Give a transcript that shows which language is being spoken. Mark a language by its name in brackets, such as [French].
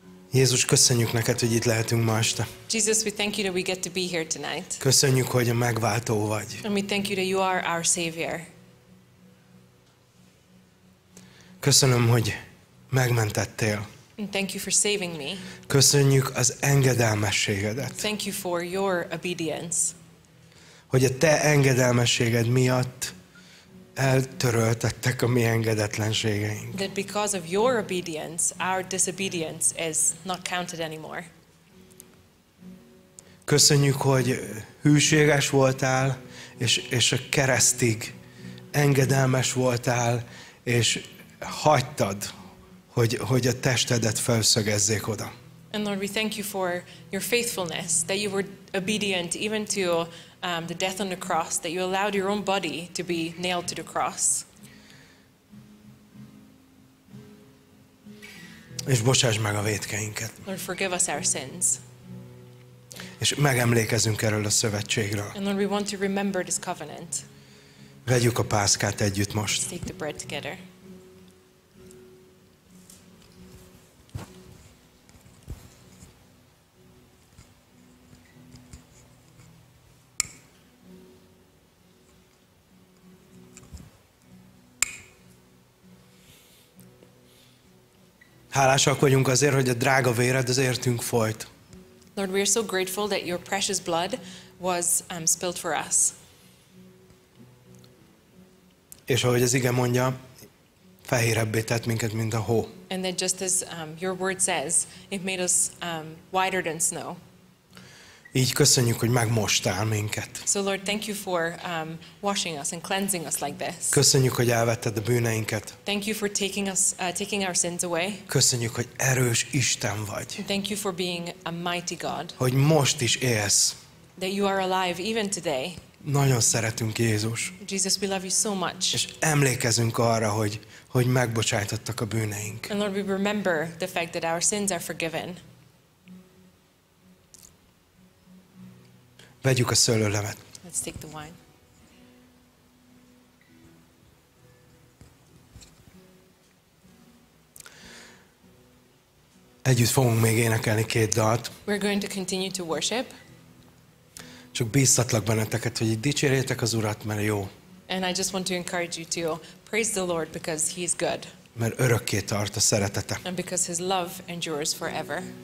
[Hungarian] Jézus, köszönjük neked, hogy itt lehetünk ma este. [English] Jesus, we thank you that we get to be here tonight. [Hungarian] Köszönjük, hogy a megváltó vagy. [English] And we thank you that you are our savior. [Hungarian] Köszönöm, hogy megmentettél. [English] And thank you for saving me. [Hungarian] Köszönjük az engedelmességedet. [English] Thank you for your obedience. [Hungarian] Hogy a te engedelmességed miatt eltöröltettek a mi engedetlenségeink. [English] That because of your obedience, our disobedience is not counted anymore. [Hungarian] Köszönjük, hogy hűséges voltál, és a keresztig engedelmes voltál, és hagytad, hogy a testedet felszögezzék oda. [English] And Lord, we thank you for your faithfulness, that you were obedient even to the death on the cross, that you allowed your own body to be nailed to the cross. [Hungarian] És bocsáss meg a vétkeinket. [English] Lord, forgive us our sins. [Hungarian] És megemlékezünk erről a szövetségről. [English] And Lord, we want to remember this covenant. [Hungarian] Vegyük a pászkát együtt most. [English] Let's take the bread together. [Hungarian] Hálásak vagyunk azért, hogy a drága véred az értünk folyt. [English] Lord, we are so grateful that your precious blood was spilled for us. [Hungarian] És ahogy az ige mondja, fehérebbé tett minket, mint a hó. [English] And then just as your word says, it made us whiter than snow. [Hungarian] Így köszönjük, hogy megmostál minket. [English] So Lord, thank you for washing us and cleansing us like this. [Hungarian] Köszönjük, hogy elvetted a bűneinket. [English] Thank you for taking our sins away. [Hungarian] Köszönjük, hogy erős Isten vagy. [English] Thank you for being a mighty God. [Hungarian] Hogy most is élsz. [English] That you are alive even today. [Hungarian] Nagyon szeretünk, Jézus. [English] Jesus, we love you so much. [Hungarian] És emlékezünk arra, hogy megbocsájtottak a bűneink. [English] And Lord, we remember the fact that our sins are forgiven. [Hungarian] Vegyük a szőlőlevet. [English] Let's take the wine. [Hungarian] Együtt fogunk még énekelni két dalt. [English] We're going to continue to worship. [Hungarian] Csak bíztatlak benneteket, hogy dicsérjétek az Urat, mert jó. [English] And I just want to encourage you to praise the Lord because he is good. [Hungarian] Mert örökké tart a szeretete. [English] And because his love endures forever.